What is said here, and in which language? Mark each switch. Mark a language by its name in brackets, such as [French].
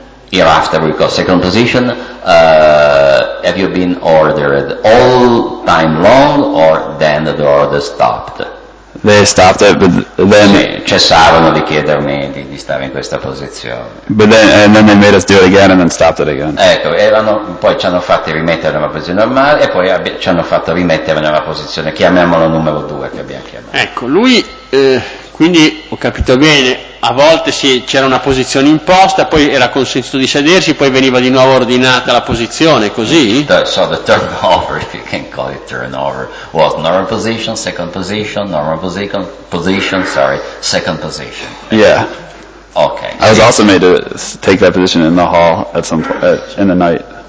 [English] Hereafter we call second position, have you been ordered all time long, or then the order stopped? They stopped it, but then [Italian] sì, cessarono di chiedermi di stare in questa posizione. [English] But then, and then they made us do it again and then stopped it again. [Italian] Ecco, erano, poi ci hanno fatti rimettere nella posizione normale e poi ci hanno fatto rimettere nella posizione, chiamiamolo numero due che abbiamo chiamato. Ecco, lui, quindi ho capito bene, a volte sì, c'era una posizione imposta, poi era consentito di sedersi, poi veniva di nuovo ordinata la posizione, così? [English] So the turnover, if you can call it turnover, was normal position, second position, normal position, second position. Yeah. Okay. I was also made to take that position in the hall at some point, in the night.